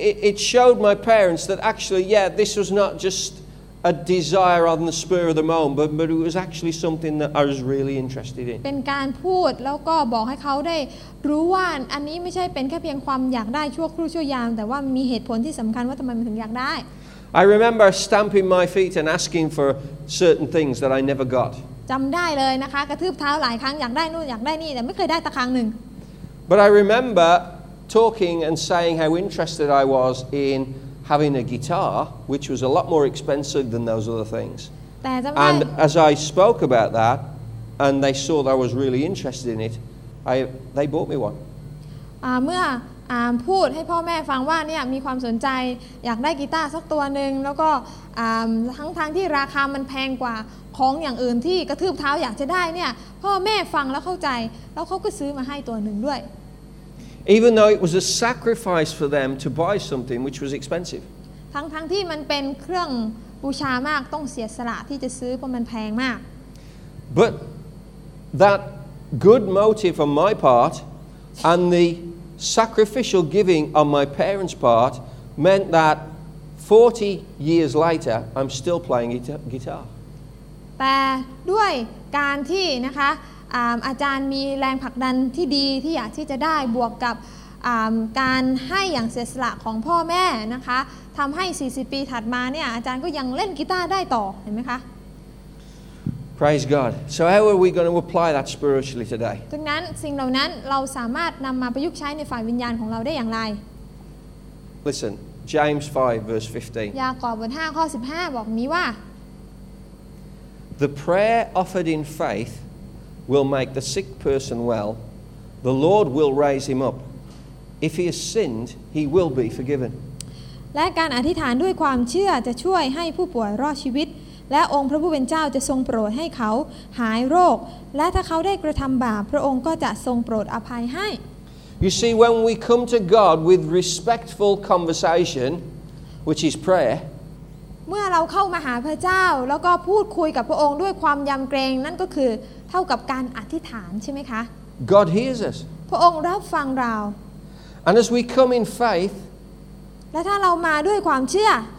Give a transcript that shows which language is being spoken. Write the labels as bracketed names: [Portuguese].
[English] It showed my parents that actually, yeah, this was not just a desire on the spur of the moment, but it was actually something that I was really interested in. [Thai] เป็นการพูดแล้วก็บอกให้เขาได้รู้ว่าอันนี้ไม่ใช่เป็นแค่เพียงความอยากได้ชั่วครู่ชั่วยามแต่ว่ามีเหตุผลที่สำคัญว่าทำไมมันถึงอยากได้ [English] I remember stamping my feet and asking for certain things that I never got. [Thai] จำได้เลยนะคะกระทืบเท้าหลายครั้งอยากได้นู่นอยากได้นี่แต่ไม่เคยได้สักครั้งนึง [English] But I remember talking and saying how interested I was in having a guitar, which was a lot more expensive than those other things. And as I spoke about that, and they saw that I was really interested in it, they bought me one. [Thai] เมื่ออ่านพูดให้พ่อแม่ฟังว่าเนี่ยมีความสนใจอยากได้กีตาร์สักตัวนึงแล้วก็ทั้งที่ราคามันแพงกว่าของอย่างอื่นที่กระทืบเท้าอยากจะได้เนี่ยพ่อแม่ฟังแล้วเข้าใจแล้วเขาก็ซื้อมาให้ตัวนึงด้วย [English] Even though it was a sacrifice for them to buy something which was expensive [Thai] ทั้งที่มันเป็นเครื่องบูชามากต้องเสียสละที่จะซื้อเพราะมันแพงมาก [English] But that good motive on my part and the sacrificial giving on my parents' part meant that 40 years later I'm still playing guitar [Thai] แต่ด้วยการที่นะคะอาจารย์มีแรงผลักดันที่ดีที่อยากที่จะได้บวกกับการให้อย่างเสียสละของพ่อแม่นะคะทำให้40ปีถัดมาเนี่ยอาจารย์ก็ยังเล่นกีตาร์ได้ต่อเห็นไหมคะ [English] Praise God. So how are we going to apply that spiritually today? [Thai] ดังนั้นสิ่งเหล่านั้นเราสามารถนำมาประยุกต์ใช้ในฝ่ายวิญญาณของเราได้อย่างไร [English] Listen, James 5 verse 15. [Thai] ยากอบบทห้าข้อ15บอกนี้ว่า [English] The prayer offered in faith will make the sick person well. The Lord will raise him up. If he has sinned, he will be forgiven. [Thai] และการอธิษฐานด้วยความเชื่อจะช่วยให้ผู้ป่วยรอดชีวิตและองค์พระผู้เป็นเจ้าจะทรงโปรดให้เขาหายโรคและถ้าเขาได้กระทำบาปพระองค์ก็จะทรงโปรดอภัยให้ [English] You see when we come to God with respectful conversation which is prayer [Thai] เมื่อเราเข้ามาหาพระเจ้าแล้วก็พูดคุยกับพระองค์ด้วยความยำเกรงนั่นก็คือเท่ากับการอธิษฐานใช่ไหมคะ [English] God hears us [Thai] พระองค์รับฟังเรา [English] And as we come in faith [Thai] และถ้าเรามาด้วยความเชื่อ